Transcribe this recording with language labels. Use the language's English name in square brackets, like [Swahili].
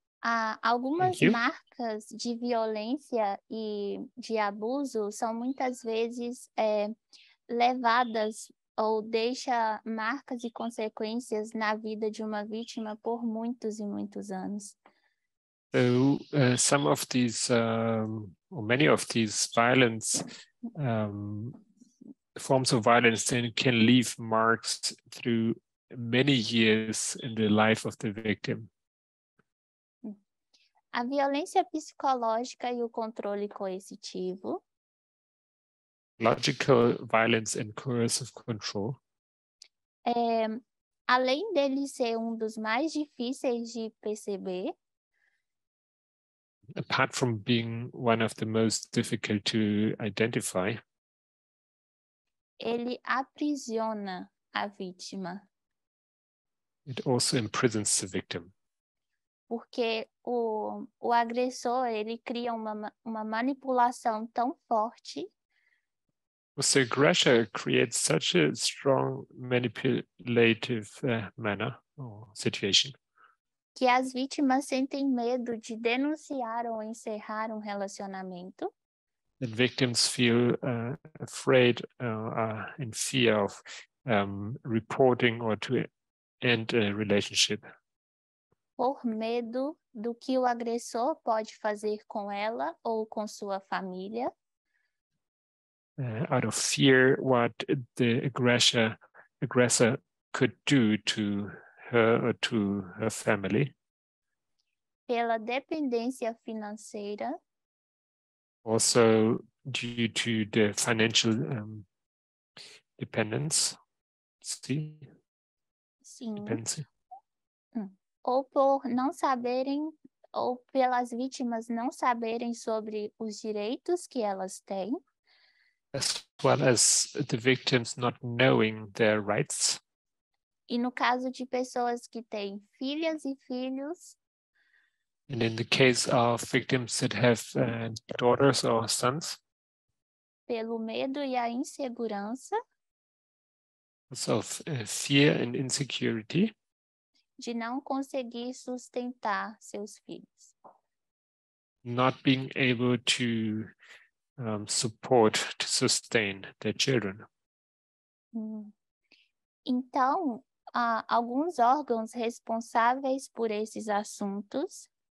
[Portuguese] Há algumas marcas de violência e de abuso são muitas vezes levadas ou deixa marcas e consequências na vida de uma vítima por muitos e muitos anos. [English] Some of these, or many of these violence, forms of violence then can leave marks through many years in the life of the victim. [Portuguese] A violência psicológica e o controle coercitivo. [English] Logical violence and coercive control. [Portuguese] Além dele ser um dos mais difíceis de perceber. [English] Apart from being one of the most difficult to identify, [Portuguese] ele aprisiona a vítima. [English] It also imprisons the victim. [Portuguese] Porque o agressor, ele cria uma manipulação tão forte. [English] So the aggressor creates such a strong manipulative manner or situation. [Portuguese] Que as vítimas sentem medo de denunciar ou encerrar um relacionamento. [English] The victims feel afraid in fear of reporting or to end a relationship. [Portuguese] Por medo do que o agressor pode fazer com ela ou com sua família. [English] Out of fear what the aggressor could do to her or to her family. [Portuguese] Pela dependência financeira. [English] Also due to the financial Dependence. Sim. [Portuguese] Sim. Dependência. Ou por não saberem, ou pelas vítimas não saberem sobre os direitos que elas têm. [English] As well as the victims not knowing their rights. [Portuguese] E no caso de pessoas que têm filhas e filhos. [English] And in the case of victims that have daughters or sons. [Portuguese] Pelo medo e a insegurança. [English] So, fear and insecurity. [Portuguese] De não conseguir sustentar seus filhos. [English] Not being able to support, to sustain their children. [Portuguese] Então, há alguns órgãos responsáveis por esses assuntos.